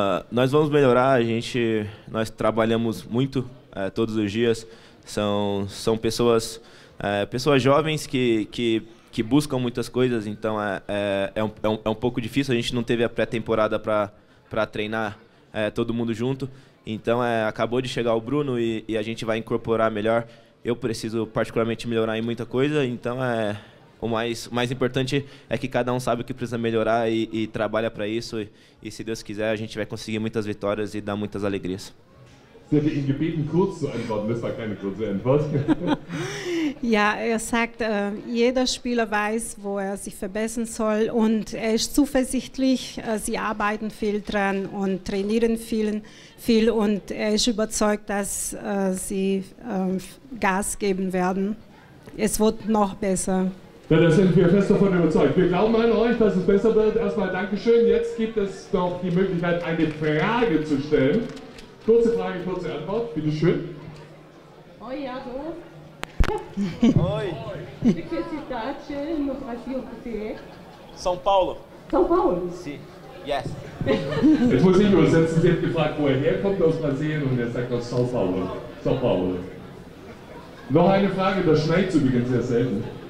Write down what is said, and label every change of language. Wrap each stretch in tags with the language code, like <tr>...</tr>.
<pt>Nós vamos melhorar, nós trabalhamos muito todos os dias, são pessoas, pessoas jovens que buscam muitas coisas, então é um pouco difícil, a gente não teve a pré-temporada para treinar todo mundo junto, então acabou de chegar o Bruno e a gente vai incorporar melhor, eu preciso particularmente melhorar em muita coisa, então O mais importante é que cada um sabe o que precisa melhorar e trabalha para isso. E se Deus quiser, a gente vai conseguir muitas vitórias e dar muitas alegrias.</pt> <de>Sie hat ihn gebeten, kurz zu antworten. Das war keine kurze Antwort. Ja, er sagt, jeder Spieler weiß, wo er sich verbessern soll. Und er ist zuversichtlich. Sie arbeiten viel dran und trainieren viel. Und er ist überzeugt, dass sie Gas geben werden. Es wird noch besser. Ja, da sind wir fest davon überzeugt. Wir glauben an euch, dass es besser wird. Erstmal Dankeschön. Jetzt gibt es noch die Möglichkeit, eine Frage zu stellen. Kurze Frage, kurze Antwort. Bitte schön.</de> <pt>Oi, Jado. Oi. Que cidade no Brasil você é? São Paulo. São Paulo? Sim.</pt> <en>Yes.</en> <de>Jetzt muss ich übersetzen. Sie hat gefragt, wo er herkommt aus Brasilien und er sagt aus São Paulo. São Paulo. Noch eine Frage, das schneit übrigens sehr selten.</de>